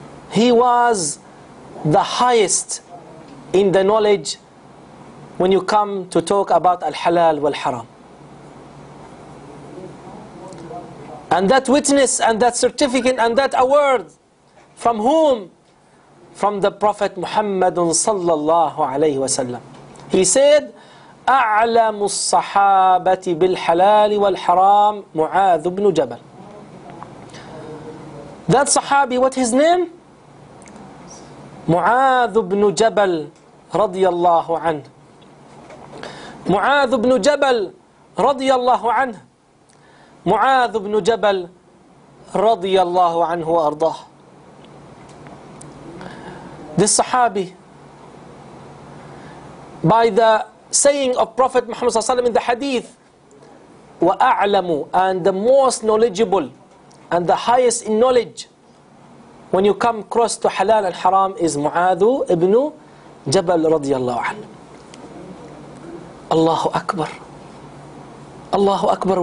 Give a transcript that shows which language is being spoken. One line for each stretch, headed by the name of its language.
English: He was the highest in the knowledge when you come to talk about al-halal wal-haram. And that witness and that certificate and that award, from whom? From the Prophet Muhammad sallallahu alayhi wa sallam. He said,
Arabic: أعلم الصحابة بالحلال والحرام معاذ بن جبل.
English: That Sahabi, what his name?
Arabic: معاذ بن جبل رضي الله عنه. معاذ بن جبل رضي الله عنه. معاذ بن جبل رضي الله عنه وأرضاه.
English: This Sahabi, by the saying of Prophet Muhammad sallallahu alaihi wasallam in the hadith, وَأَعْلَمُ, and the most knowledgeable and the highest in knowledge when you come across to halal and haram is Mu'adhu ibn Jabal radiyallahu anhu. Allahu Akbar. Allahu Akbar.